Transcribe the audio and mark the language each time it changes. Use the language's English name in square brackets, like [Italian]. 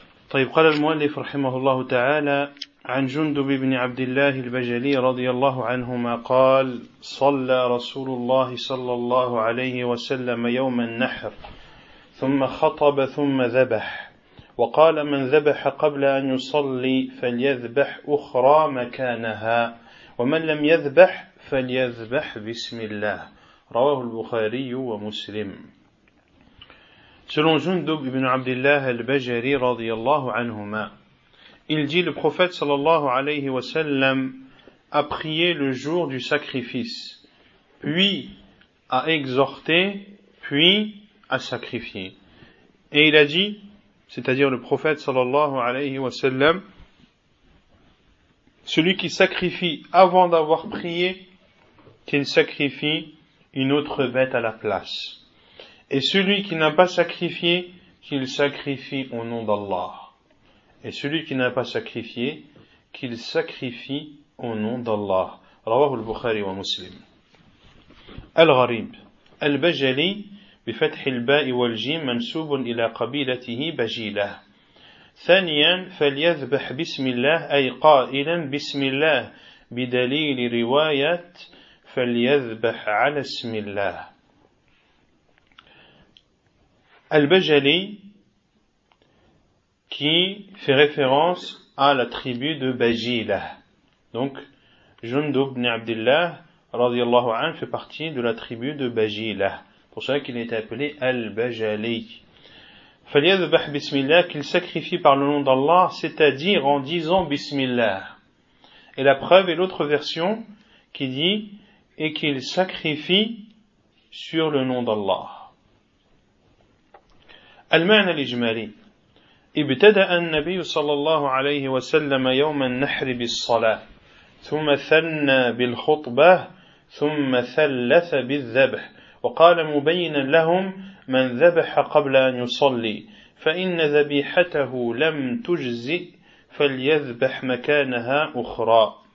[Arabic] طيب قال المؤلف رحمه الله تعالى عن جندب بن عبد الله البجلي رضي الله عنهما قال صلى رسول الله صلى الله عليه وسلم يوم النحر ثم خطب ثم ذبح وقال من ذبح قبل أن يصلي فليذبح أخرى مكانها ومن لم يذبح فليذبح بسم الله رواه البخاري ومسلم. [French] Selon Jundub ibn Abdullah al-Bajari [Arabic] رضي الله عنهما, [French] il dit le prophète [Arabic] sallallahu alayhi wa sallam [French] a prié le jour du sacrifice, puis a exhorté, puis a sacrifié. Et il a dit, c'est-à-dire le prophète [Arabic] sallallahu alayhi wa sallam, [French] celui qui sacrifie avant d'avoir prié, qu'il sacrifie une autre bête à la place. Et celui qui n'a pas sacrifié, qu'il sacrifie au nom d'Allah. Et celui qui n'a pas sacrifié, qu'il sacrifie au nom d'Allah. [Arabic] Rawahu al-Bukhari wa Muslim. Al-Gharib. Al-Bajali. بفتح الباء والجيم منسوب إلى قبيلته بجيلة ثانيا فليذبح بسم الله أي قائلا بسم الله بدليل رواية فليذبح على اسم الله. [French] البجلي qui fait référence à la tribu de Bajila. Donc, Jundub ibn Abdillah, [Arabic] radiallahu anhu, [French] fait partie de la tribu de Bajila. Pour cela qu'il est appelé Al-Bajali. [Arabic] Faliyadbah bismillah, [French] qu'il sacrifie par le nom d'Allah, c'est-à-dire en disant bismillah. Et la preuve est l'autre version qui dit, et qu'il sacrifie sur le nom d'Allah. [Arabic] Al-Ma'an al-Ijmali. ابتدأ النبي صلى الله عليه وسلم يوم النحر بالصلاة ثم ثنى بالخطبة ثم ثلث بالذبح وقال مبينا لهم من ذبح قبل أن يصلي فإن ذبيحته لم تجزئ فليذبح مكانها أخرى